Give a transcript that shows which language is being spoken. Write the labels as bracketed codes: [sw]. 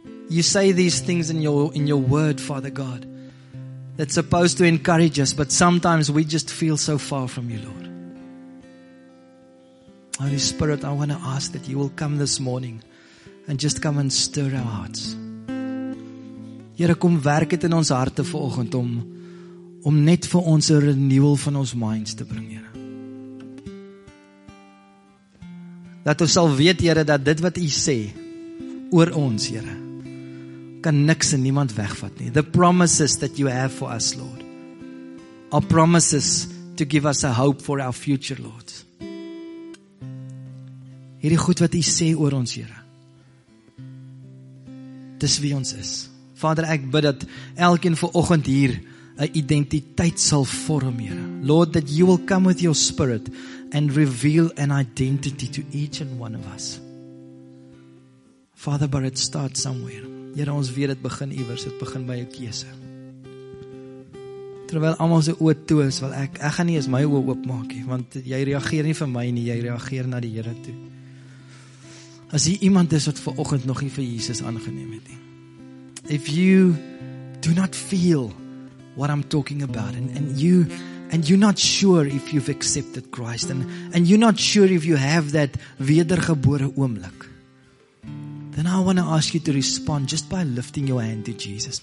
[en] You say these things in your word, Father God, that's supposed to encourage us, but sometimes we just feel so far from you, Lord. Holy Spirit, I want to ask that you will come this morning and just come and stir our hearts. [af] Here, kom werk het in ons harte vanoggend om net vir ons 'n renewal van ons minds te bring, Here. Dat ons sal weet, Here, dat dit wat U sê oor ons, Here, kan niks en niemand wegvat nie. [en] The promises that you have for us, Lord, are promises to give us a hope for our future, Lord. [af] Hierdie goed wat U sê oor ons, Here, dis wie ons is. Vader, ek bid dat elkeen vanoggend hier 'n identiteit sal vorm, Here. [en] Lord, that you will come with your spirit and reveal an identity to each and one of us. Father, but it starts somewhere. [af] Here, ons weet dit begin iewers, dit begin by 'n keuse. Terwyl almal se oë toe is, wil ek gaan nie eens my oë oopmaak nie, want jy reageer nie vir my nie, jy reageer na die Here toe. As jy iemand is wat vanoggend nog nie vir Jesus aangeneem het nie. [en] If you do not feel what I'm talking about and you're not sure if you've accepted Christ and you're not sure if you have that [af] wedergebore oomblik, [en] then I want to ask you to respond just by lifting your hand to Jesus.